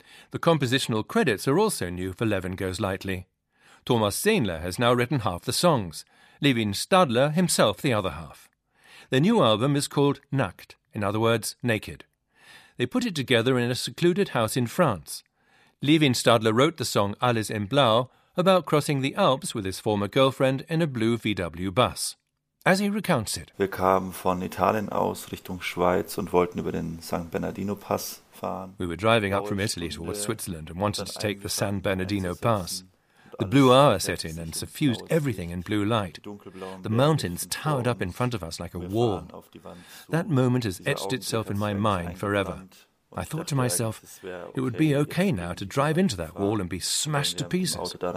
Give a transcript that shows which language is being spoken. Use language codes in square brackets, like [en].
[en] The compositional credits are also new for Levin Goes Lightly. Thomas Zehnle has now written half the songs, Levin Stadler himself the other half. Their new album is called Nackt, in other words, naked. They put it together in a secluded house in France. Levin Stadler wrote the song Alles in Blau about crossing the Alps with his former girlfriend in a blue VW bus. As he recounts it. [de] Wir kamen von Italien aus Richtung Schweiz und wollten über den San Bernardino Pass fahren. [en] We were driving up from Italy towards Switzerland and wanted to take the San Bernardino Pass. The blue hour set in and suffused everything in blue light. The mountains towered up in front of us like a wall. That moment has etched itself in my mind forever. I thought to myself, it would be okay now to drive into that wall and be smashed to pieces.